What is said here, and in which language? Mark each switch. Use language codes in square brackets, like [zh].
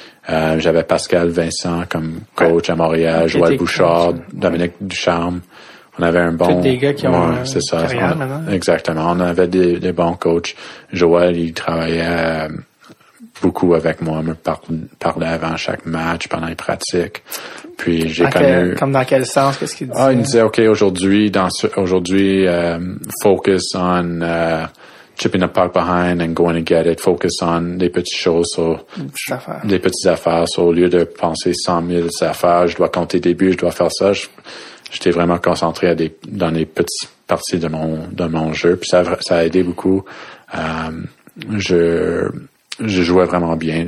[fr] J'avais Pascal Vincent comme coach à Montréal, Joël Bouchard, Dominique Ducharme. On avait un bon. Tous des gars qui ont c'est ça. Carrière maintenant. Exactement. On avait des bons coachs. Joël, il travaillait beaucoup avec moi, me parlait avant chaque match, pendant les pratiques. Puis j'ai Comme dans quel sens? Qu'est-ce qu'il disait? Ah, il disait, OK, aujourd'hui, [en] focus on, chipping the puck behind and going to get it. Focus on [fr] les petites choses. Les petites affaires. So, au lieu de penser 100 000 affaires, je dois compter des buts, je dois faire ça. J'étais vraiment concentré dans les petites parties de mon jeu. Puis ça a aidé beaucoup. Je jouais vraiment bien.